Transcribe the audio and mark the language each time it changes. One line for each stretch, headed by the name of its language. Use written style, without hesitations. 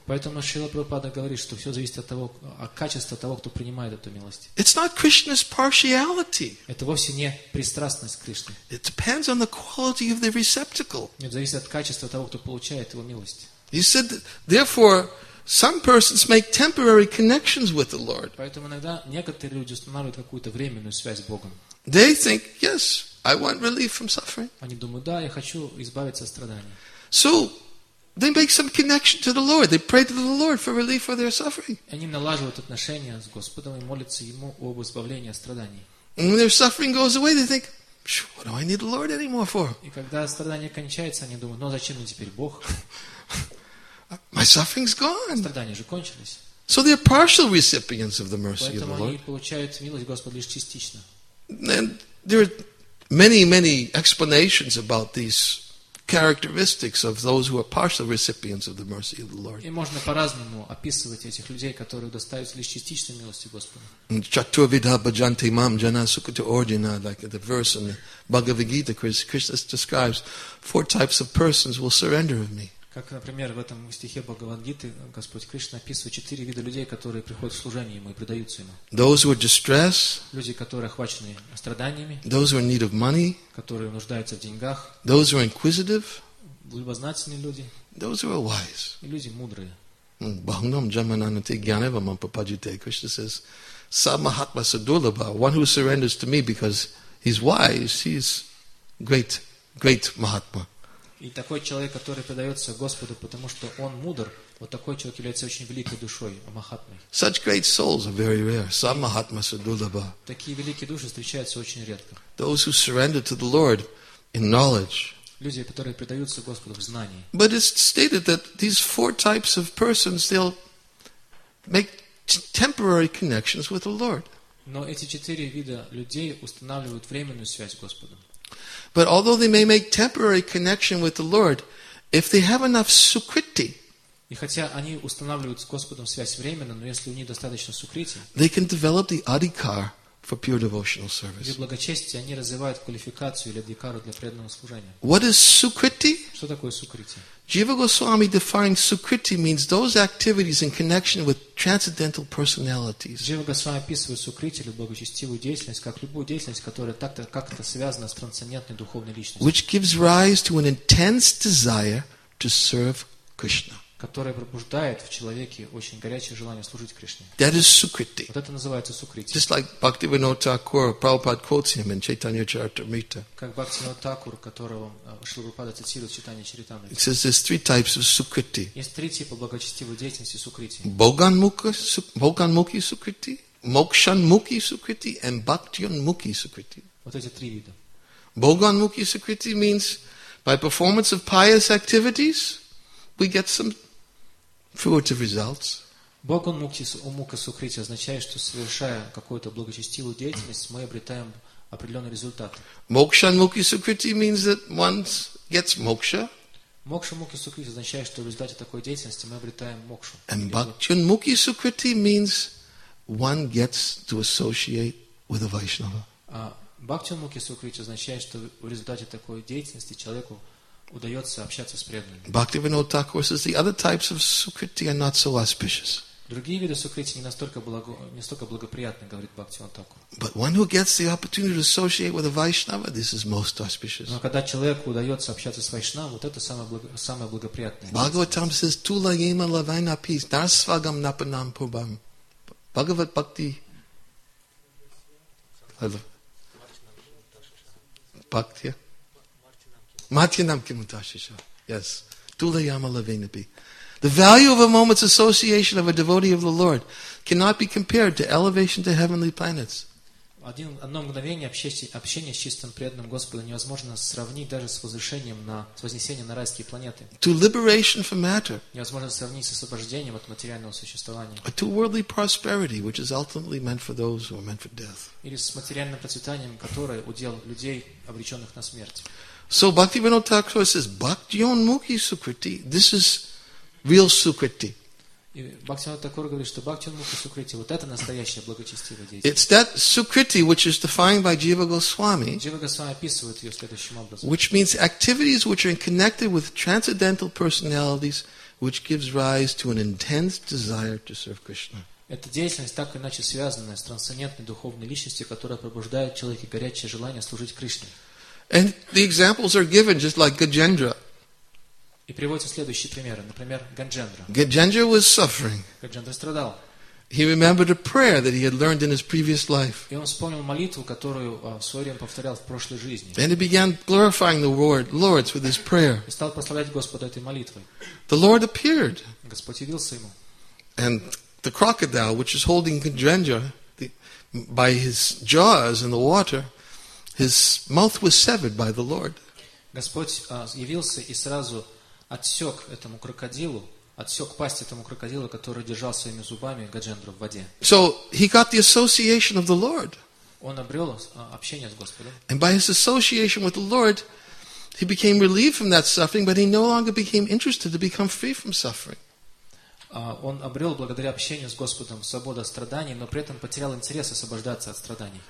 Russian: Поэтому Шрила Прабхупада говорит, что все зависит от того, от качества того, кто принимает эту милость.
English: It's not Krishna's partiality.
Russian: Это вовсе не пристрастность Кришны.
English: It depends on the quality of the receptacle.
Russian: Это зависит от качества того, кто получает его милость.
English: He said, therefore, some persons make temporary connections with the Lord.
Russian: Поэтому иногда некоторые люди устанавливают какую-то временную связь с Богом.
English: They think, yes, I want relief from suffering.
Russian: Они думают, да, я хочу избавиться от страданий.
English: So they make some connection to the Lord. They pray to the Lord for relief for their suffering.
Russian: Они налаживают отношения с Господом и молятся ему об избавлении от страданий.
English: And when their suffering goes away, they think, what do I need the Lord anymore for?
Russian: И когда страдание кончается, они думают, зачем мне теперь Бог?
English: My suffering's gone.
Russian: Страдания же кончились.
English: So they're partial recipients of the mercy
Russian: Поэтому
English: of the Lord.
Russian: Поэтому они получают милость Господа лишь частично.
English: And there are many, many explanations about these characteristics of those who are partial recipients of the mercy of the Lord.
Russian: И можно по-разному описывать этих людей, которые достаются лишь частичной милости Господа.
Sanskrit: Chatur vidha bhajante mam jana sukhita orjana,
English: like the verse in the Bhagavad Gita, Krishna describes four types of persons will surrender to me.
Russian: Как, например, в этом стихе Бхагавад-гиты Господь Кришна описывает четыре вида людей, которые приходят в служение Ему и предаются Ему.
English: Those who are distress,
Russian: люди, которые охвачены страданиями.
English: Those who are in need of money,
Russian: которые нуждаются в деньгах.
English: Those who are inquisitive,
Russian: любознательные люди.
English: Those who are wise,
Russian: и люди мудрые.
Sanskrit: Bhagnam jamananate gyanevam apapajite,
English: Krishna says,
Sanskrit: Samahatma Sadulaba,
English: one who surrenders to me because he's wise, he's great, great Mahatma.
Russian: И такой человек, который предается Господу, потому что он мудр, вот такой человек является очень великой душой, Махатмой.
English: Such great souls are very rare.
Sanskrit: Samahatma Sadulaba.
Russian: Такие великие души встречаются очень редко.
English: Those who surrender to the Lord in knowledge.
Russian: Люди, которые предаются Господу в знании.
English: But it's stated that these four types of persons, they'll make temporary connections with the Lord.
Russian: Но эти четыре вида людей устанавливают временную связь с Господом.
English: But although they may make temporary connection with the Lord, if they have enough sukriti,
Russian: и хотя они устанавливают с Господом связь временно, но если у них достаточно сукрити,
English: they can develop the adhikar for pure devotional service.
Russian: Для благочестия они развивают квалификацию или адхикару для преданного служения.
English: What is sukriti?
Russian: Что такое сукрити?
English: Jiva Goswami defined sukriti means those activities in connection with transcendental personalities.
Russian: Jiva Goswami описывает сукрити, благочестивую деятельность, как любую деятельность, которая так-то как-то связана с трансцендентной духовной личностью.
English: Which gives rise to an intense desire to serve Krishna.
Russian: Которая пробуждает в человеке очень горячее желание служить Кришне.
English: That is sukriti.
Russian: Вот это называется сукрити.
English: Just like Bhaktivinoda Thakur, Prabhupada quotes him in Chaitanya Charitamrita.
Russian: Как Бхактивинода Такур, которого Шрила Прабхупада цитирует в Чайтанья Чаритамрите.
English: It says there's three types of sukriti.
Russian: Есть три типа благочестивой деятельности сукрити.
Sanskrit: Боганмуки сукрити, мокшанмуки сукрити,
English: and
Sanskrit: бхактианмуки сукрити.
Russian: Вот эти три вида.
English: Боганмуки сукрити means by performance of pious activities, we get some fruitive results.
Russian: Боганмуки сукрити означает, что совершая какую-то благочестивую деятельность, мы обретаем определенный результат.
English: Мокшанмуки сукрити means that one gets мокша.
Russian: Мокшанмуки сукрити означает, что в результате такой деятельности мы обретаем мокшу.
English: And бхактианмуки сукрити means one gets to associate with a Vaishnava.
Russian: Бхактианмуки сукрити означает, что в результате такой деятельности человеку удается общаться с преданными.
English: Bhaktivinoda Thakur says the other types of sukriti are not so auspicious.
Russian: Другие виды сукрити не настолько не столько благоприятны, говорит Бхактивинода Такур.
English: But one who gets the opportunity to associate with a Vaishnava, this is most auspicious.
Russian: Но когда человеку удается общаться с Вайшнавой, вот это самое благоприятное.
English: Bhagavatam says
Sanskrit: tula yema lavaina pis narsvagam napanam pubam. Bhagavat Bhakti. Bhakti. Matyanam kimutashisha.
English: Yes.
Sanskrit: Tula yama lavainapi.
English: The value of a moment's association of a devotee of the Lord cannot be compared to elevation to heavenly planets.
Russian: Одно мгновение общения с чистым преданным Господом невозможно сравнить даже с возвышением с вознесением на райские планеты.
English: To liberation from matter.
Russian: Невозможно сравнить с освобождением от материального существования.
English: Or to worldly prosperity, which is ultimately meant for those who are meant for death.
Russian: Или с материальным процветанием, которое удел людей, обреченных на смерть.
English: So Bhaktivinoda Thakur says, Bhaktianmukhi Sukriti, this is real Sukriti.
Russian: Bhaktivinoda Thakur говорит, что Bhaktianmukhi Sukriti, вот это настоящая благочестивая деятельность.
English: It's that Sukriti, which is defined by Jiva Goswami,
Russian: Jiva Goswami описывает ее следующим образом.
English: Which means activities which are connected with transcendental personalities, which gives rise to an intense desire to serve Krishna.
Russian: Эта деятельность так или иначе связана с трансцендентной духовной личностью, которая пробуждает в человеке горячее желание служить Кришне.
English: And the examples are given just like Gajendra.
Russian: И приводятся следующие примеры, например, Ганджендра.
English: Gajendra was suffering.
Russian: Ганджендра страдал.
English: He remembered a prayer that he had learned in his previous life.
Russian: И он вспомнил молитву, которую в свое время повторял в прошлой жизни.
English: And he began glorifying the Lord with his prayer.
Russian: И стал прославлять Господа этой молитвой.
English: The Lord appeared.
Russian: Господь явился ему.
English: And the crocodile, which is holding Gajendra by his jaws in the water, his mouth was severed by the Lord.
Russian: Господь явился и сразу отсек этому крокодилу, отсек пасть этому крокодилу, который держал своими зубами Гаджендру в воде.
English: So he got the association of the Lord.
Russian: Он обрел общение с Господом.
English: And by his association with the Lord, he became relieved from that suffering, but he no longer became interested to become free from suffering.
Russian: Он обрел благодаря общению с Господом свободу от страданий, но при этом потерял интерес освобождаться от страданий.